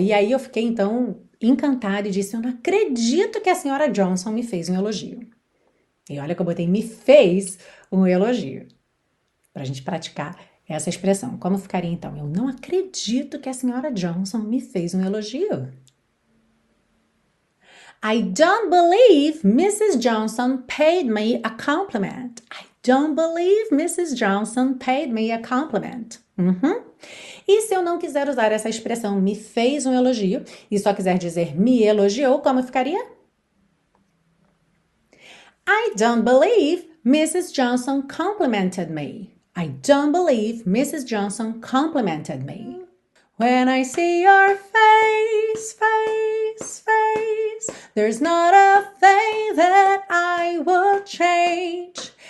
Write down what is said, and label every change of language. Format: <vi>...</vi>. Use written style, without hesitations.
<pt>E aí eu fiquei então encantada e disse, eu não acredito que a senhora Johnson me fez um elogio. E olha que eu botei, me fez um elogio. Para a gente praticar essa expressão. Como ficaria então? Eu não acredito que a senhora Johnson me fez um elogio.</pt> <en>I don't believe Mrs. Johnson paid me a compliment. Don't believe Mrs. Johnson paid me a compliment. Uhum.</en> <pt>E se eu não quiser usar essa expressão me fez um elogio e só quiser dizer me elogiou, como ficaria?</pt> <en>I don't believe Mrs. Johnson complimented me. I don't believe Mrs. Johnson complimented me. When I see your face, face, face, there's not a thing that I would change.</en>